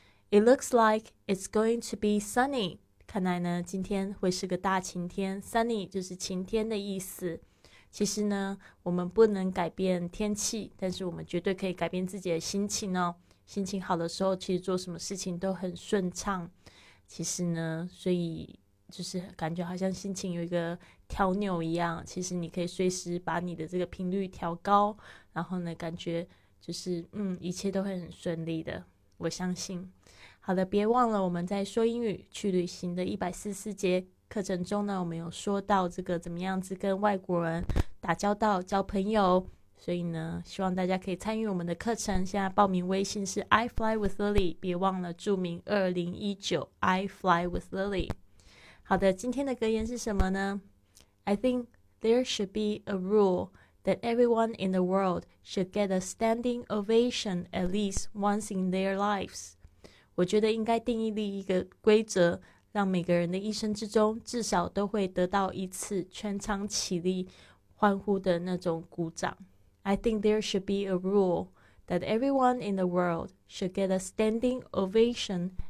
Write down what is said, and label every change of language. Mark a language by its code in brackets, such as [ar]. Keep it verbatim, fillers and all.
[en] It looks like it's going to be sunny. [zh] 看来呢，今天会是个大晴天 ，sunny 就是晴天的意思。其实呢，我们不能改变天气，但是我们绝对可以改变自己的心情哦。心情好的时候，其实做什么事情都很顺畅。其实呢，所以就是感觉好像心情有一个调钮一样，其实你可以随时把你的这个频率调高，然后呢，感觉就是嗯，一切都会很顺利的，我相信。好的，别忘了我们在说英语去旅行的一百四十四节课程中呢，我们有说到这个怎么样子跟外国人打交道、交朋友，所以呢，希望大家可以参与我们的课程。现在报名微信是 I Fly with Lily， 别忘了注明二零一九 I Fly with Lily。好的，今天的格言是什么呢？ [en] I think there should be a rule that everyone in the world should get a standing ovation at least once in their lives。 [zh] 我觉得应该定义立一个规则，让每个人的一生之中至少都会得到一次全场起立欢呼的那种鼓掌。 [en] I think there should be a rule that everyone in the world should get a standing ovation